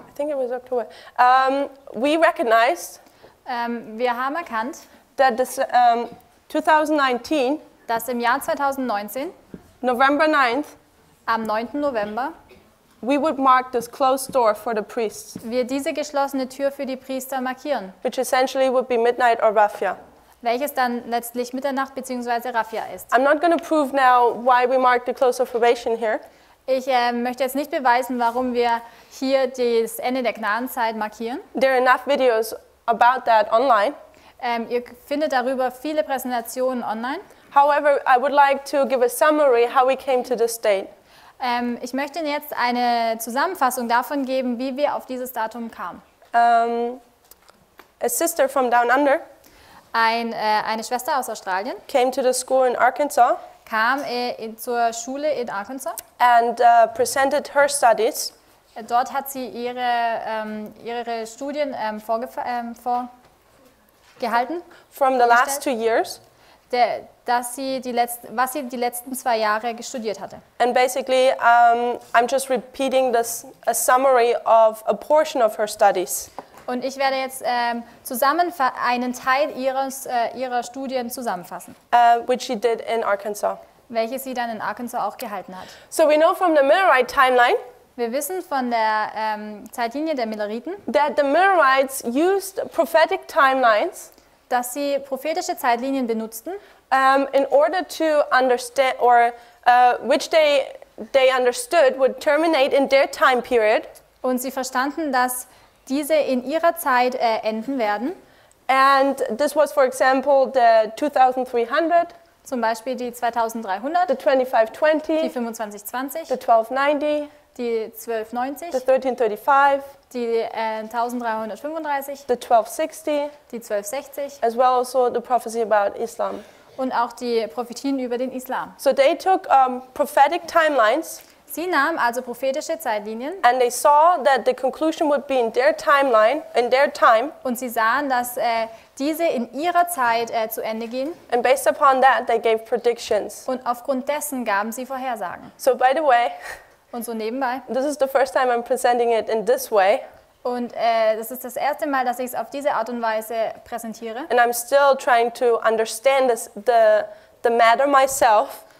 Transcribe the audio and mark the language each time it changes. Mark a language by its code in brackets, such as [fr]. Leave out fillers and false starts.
[en] I think it was October. We recognized. [de] Wir haben erkannt. [en] That this 2019. [de] Dass im Jahr 2019. [en] November 9th. [de] Am 9. November. [en] We would mark this closed door for the priests. [de] Wir diese geschlossene Tür für die Priester markieren. [en] Which essentially would be midnight or Raffia. [de] Welches dann letztlich Mitternacht bzw. Raffia ist. [en] I'm not going to prove now why we mark the close of probation here. [de] Ich möchte jetzt nicht beweisen, warum wir hier das Ende der Gnadenzeit markieren. [en] There are enough videos about that online. [de] Ihr findet darüber viele Präsentationen online. [en] However, I would like to give a summary how we came to this date. [de] Ich möchte jetzt eine Zusammenfassung davon geben, wie wir auf dieses Datum kamen. [en] A sister from down under. [de] Eine Schwester aus Australien. [en] Came to the school in Arkansas. [de] Kam zur Schule in Arkansas. [en] And presented her studies. [de] Dort hat sie ihre Studien vorgehalten. [en] From the last 2 years. [de] Was sie die letzten 2 Jahre studiert hatte. [en] And basically, I'm just repeating this a summary of a portion of her studies. [de] Und ich werde jetzt einen Teil ihrer Studien zusammenfassen. [en] Which she did in Arkansas. [de] Welche sie dann in Arkansas auch gehalten hat. [en] So we know from the Millerite timeline. [de] Wir wissen von der Zeitlinie der Milleriten. [en] That the Millerites used prophetic timelines. [de] Dass sie prophetische Zeitlinien benutzten. [en] In order to understand or which they understood would terminate in their time period. [de] Und sie verstanden, dass diese in ihrer Zeit enden werden. [en] And this was for example the 2300. [de] Zum Beispiel die 2300. [en] The 2520. [de] Die 2520. [en] The 1290. [de] Die 1290. [en] The 1335. [de] Die 1335. [en] The 1260. [de] Die 1260. [en] As well as also the prophecy about Islam. [de] Und auch die Prophetien über den Islam. [en] So they took prophetic timelines. [de] Sie nahmen also prophetische Zeitlinien. [en] And they saw that the conclusion would be in their timeline, in their time. [de] Und sie sahen, dass diese in ihrer Zeit zu Ende gehen. [en] And based upon that, they gave predictions. [de] Und aufgrund dessen gaben sie Vorhersagen. [en] So by the way. [de] Und so nebenbei. [en] This is the first time I'm presenting it in this way. [de] Und das ist das erste Mal, dass ich es auf diese Art und Weise präsentiere. [en] And I'm still trying to understand this, the matter myself.